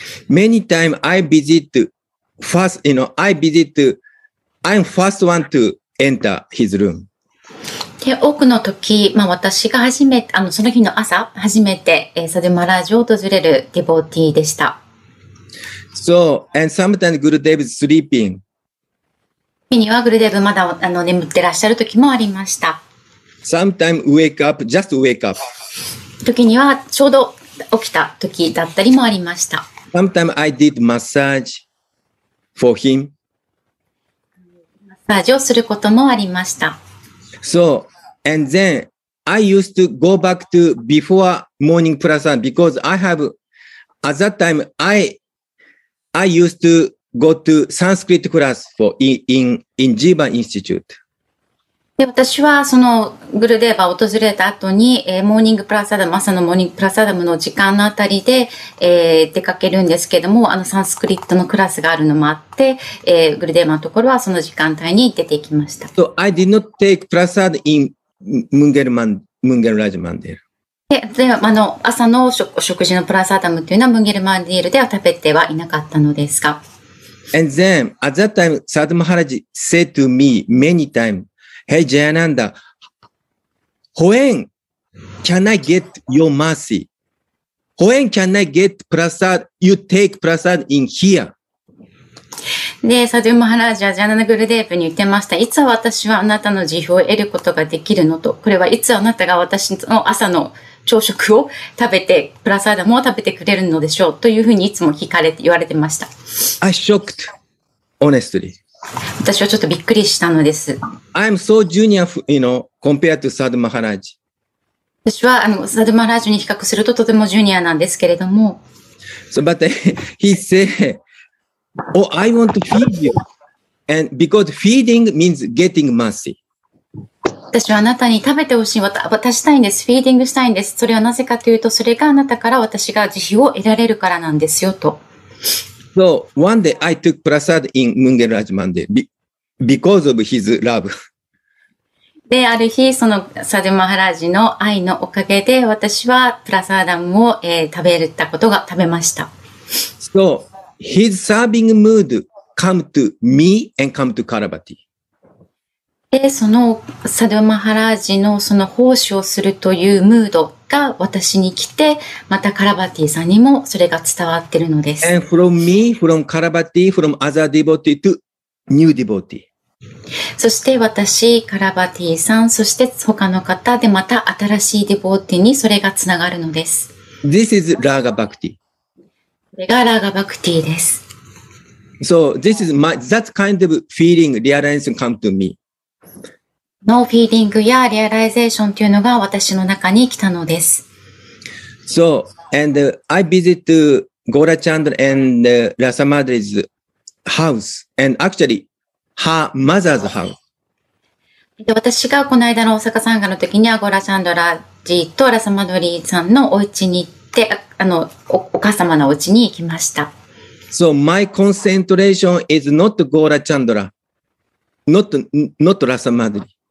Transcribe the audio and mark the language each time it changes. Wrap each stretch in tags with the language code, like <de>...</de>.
<en>Many times I visit first, you know, I visit I'm first one to enter his room.</en> <ja>で、多くの時、まあ私が初めて、その日の朝、初めて、サドゥマハラジを訪れるディボーティーでした。</ja> <en>So, and sometimes Gurudev is sleeping.</en> <ja>日にはグルデブまだ眠ってらっしゃる時もありました。</ja> <en>Sometimes wake up, just wake up.</en> <ja>時にはちょうど起きた時だったりもありました。</ja> <en>Sometimes I did massage for him.</en> <ja>マッサージをすることもありました。</ja> <en>So, and then I used to go back to before morning prasad because I have at that time I used to go to Sanskrit class for in Jiva Institute.</en> <ja>で、私はそのグルデーバを訪れた後に、モーニングプラサダム、朝のモーニングプラサダムの時間のあたりで、出かけるんですけども、サンスクリットのクラスがあるのもあって、グルデーバのところはその時間帯に出てきました。</ja> <en>So I did not take prasad in ムンゲルラジマンデル。</en> <ja>で、朝の食事のプラサダムというのはムンゲルマンデルでは食べてはいなかったのですが。</ja> <en>And then, at that time, Sadhu Maharaj said to me many times,Hey, Jayananda, when can I get your mercy? When can I get prasad? You take prasad in here.</en> <ja>で、サドゥマハラージはジャナナグルデーブに言ってました。いつ私はあなたの慈悲を得ることができるのと。これはいつあなたが私の朝の朝食を食べて、プラサダも食べてくれるのでしょうというふうにいつも聞かれて言われてました。</ja> <en>I shocked, honestly.</en> <ja>私はちょっとびっくりしたのです。</ja> <en>I'm so junior, you know, compared to Sadhu Maharaj.</en> <ja>私はSadhu Maharajに比較するととてもジュニアなんですけれども。</ja> <en>So, but he said, oh, I want to feed you. And because feeding means getting mercy.</en> <ja>私はあなたに食べてほしい。渡したいんです。フィーディングしたいんです。それはなぜかというと、それがあなたから私が慈悲を得られるからなんですよと。</ja> <en>So, one day I took prasad in Mungen Raj Mandir because of his love.</en> <ja>で、ある日、そのサドゥマハラジの愛のおかげで、私はプラサーダムを、食べたことが食べました。</ja> <en>So, his serving mood come to me and come to Karabati.</en> <ja>で、そのサドゥマハラージのその奉仕をするというムードが私に来て、またカラバティさんにもそれが伝わってるのです。</ja> <en>And from me, from Karabati, from other devotee to new devotee.</en> <ja>そして私、カラバティさん、そして他の方でまた新しいディボーティにそれがつながるのです。</ja> <en>This is Raga Bhakti.</en> <ja>これがラガバクティです。</ja> <en>So this is my, that kind of feeling, realization come to me.</en> <ja>のフィーリングやリアライゼーションというのが私の中に来たのです。</ja> <en>So, and I visit Gora Chandra and Rasa Madre's house, and actually her mother's house.</en> <ja>で、私がこの間の大阪参加の時にはゴラチャンドラジとラサマドリーさんのお家に行って、お母様のお家に行きました。</ja> <en>So, my concentration is not Gora Chandra, not Rasa Madre.</en>